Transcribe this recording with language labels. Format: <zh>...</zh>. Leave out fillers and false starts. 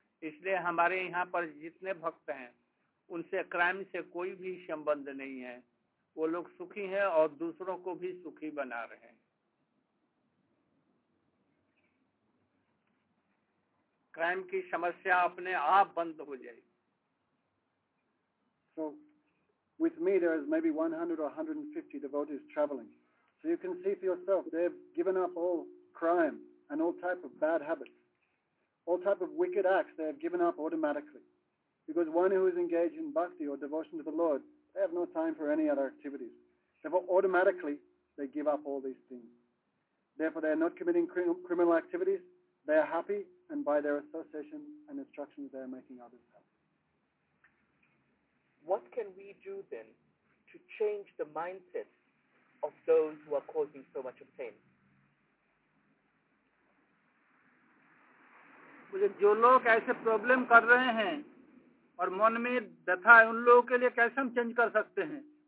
<hi>इसलिए हमारे यहाँ पर जितने भक्त हैं, उनसे क्राइम से कोई भी संबंध नहीं है। वो लोग सुखी हैं और दूसरों को भी सुखी बना रहे हैं। क्राइम की समस्या अपने आप बंद हो जाएगी।</hi> <en>So, with me there is maybe 100 or 150 devotees traveling. So you can see for yourself, they've given up all crime and all type of bad habits, all type of wicked acts. They have given up automatically, because one who is engaged in bhakti or devotion to the Lord, they have no time for any other activities. Therefore, automatically they give up all these things. Therefore, they are not committing criminal activities. They are happy, and by their association and instructions, they are making others happy. What can we do then to change the mindset of those who are causing so much of pain?</en> <hi>जो लोग ऐसे problem कर रहे हैं और मन में व्यथा है, उन लोगों के लिए कैसे हम change कर सकते हैं?</hi>